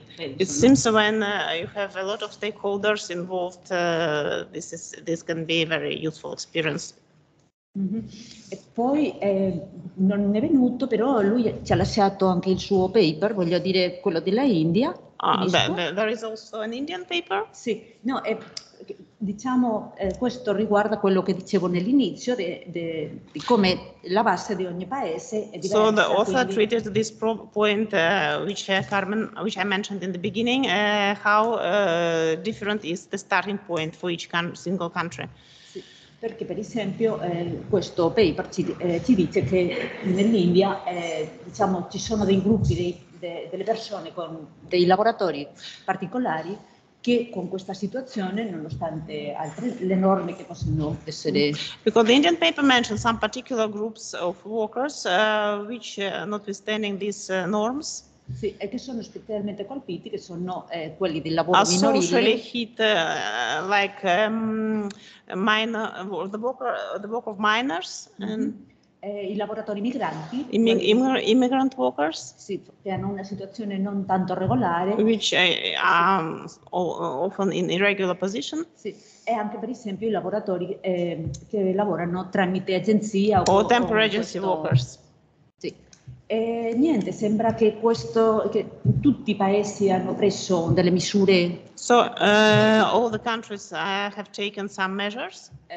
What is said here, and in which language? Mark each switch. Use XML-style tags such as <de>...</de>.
<en>It seems when you have a lot of stakeholders involved, this can be a very useful experience.</en> <it>Mm-hmm. E poi non è venuto, però lui ci ha lasciato anche il suo paper, voglio dire quello della India.</it> <en>There is also an Indian paper?</en> <it>Sì, no, diciamo, questo riguarda quello che dicevo nell'inizio, di come la base di ogni paese è diversa.</it> <en>So the author treated this point, which Carmen, which I mentioned in the beginning, how different is the starting point for each single country.</en> <it>Sì, perché per esempio questo paper ci dice che nell'India, diciamo, ci sono dei gruppi, delle persone con dei lavoratori particolari, che con questa situazione, nonostante altre le norme che possono essere.</it> <en>Because the Indian paper mentioned some particular groups of workers, which notwithstanding these norms.</en> <it>Sì, e che sono specialmente colpiti, che sono quelli del lavoro minorile.</it> <en>Are socially hit, like minor, the work of minors. Mm-hmm. And</en> <it>I lavoratori migranti.</it> <en>Immigrant workers.</en> <it>Sì, che hanno una situazione non tanto regolare.</it> <en>Which often in irregular position.</en> <it>Sì, e anche per esempio i lavoratori che lavorano tramite agenzia.</it> <en>O temporary agency workers.</en> <it>Sì. E niente, sembra che questo, che tutti i paesi hanno preso delle misure.</it> <en>So, all the countries have taken some measures.</en>